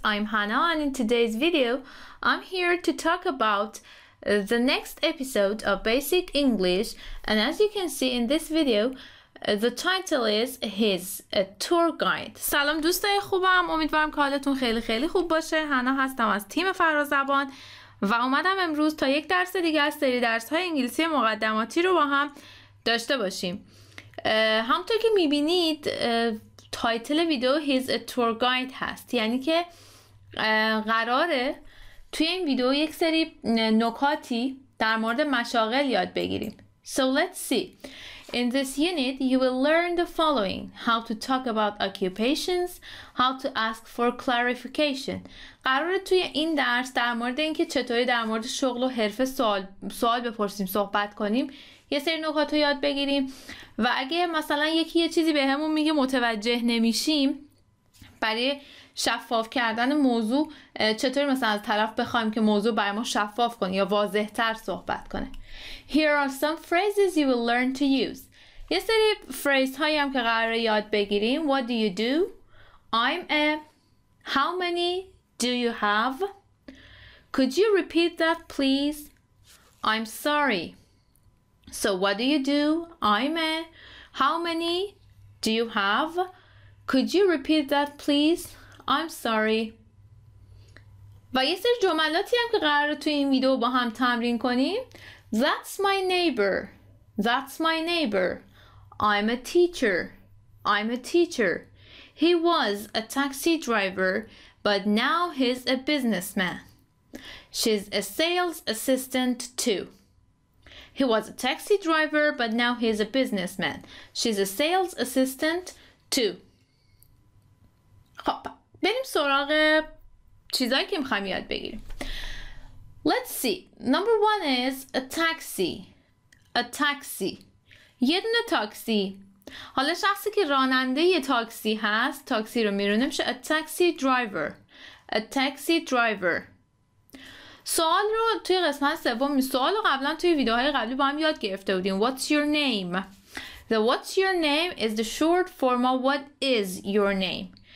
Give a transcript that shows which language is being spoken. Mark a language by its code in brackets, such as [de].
[en] I'm Hannah and in today's video, I'm here to talk about the next episode of Basic English. And as you can see in this video, the title is his tour guide. [fa] سلام دوستای خوبم، امیدوارم که حالتون خیلی خیلی خوب باشه. هانا هستم از تیم فرازبان و اومدم امروز تا یک درس دیگه از سری درس‌های انگلیسی مقدماتی رو با هم داشته باشیم. همونطور که می‌بینید تایتل ویدیو [en] his tour guide [fa] هست، یعنی که قراره توی این ویدیو یک سری نکاتی در مورد مشاغل یاد بگیریم. [en] So let's see. In this unit, you will learn the following: how to talk about occupations, how to ask for clarification. [fa] قراره توی این درس در مورد اینکه چطوری در مورد شغل و حرفه سوال بپرسیم، صحبت کنیم، یه سری نکات رو یاد بگیریم و اگه مثلا یکی یه چیزی بهمون میگه متوجه نمیشیم، برای شفاف کردن موضوع چطوری مثلا از طرف بخوایم که موضوع برای ما شفاف کنه یا واضح تر صحبت کنه. [en] Here are some phrases you will learn to use. [fa] یه سری فریز هایی هم که قراره یاد بگیریم. [en] What do you do? I'm a. How many do you have? Could you repeat that please? I'm sorry. So what do you do? I'm a. How many do you have? Could you repeat that please? I'm sorry. [fa] و یه سری جملاتی هم که قراره تو این ویدیو با هم تمرین کنیم. [en] That's my neighbor. That's my neighbor. I'm a teacher. I'm a teacher. He was a taxi driver, but now he's a businessman. She's a sales assistant too. He was a taxi driver, but now he's a businessman. She's a sales assistant too. [fa] خب بریم سراغ چیزایی که میخوایم یاد بگیریم. [en] Let's see. Number one is a taxi. A taxi. [fa] یه دونه تاکسی. حالا شخصی که راننده یه تاکسی هست، تاکسی رو میرونه میشه [en] a taxi driver. A taxi driver. [fa] سوال رو توی قسمت سوم، سوال رو قبلا توی ویدیوهای قبلی با هم یاد گرفته بودیم. [en] What's your name? The what's your name is the short form of what is your name.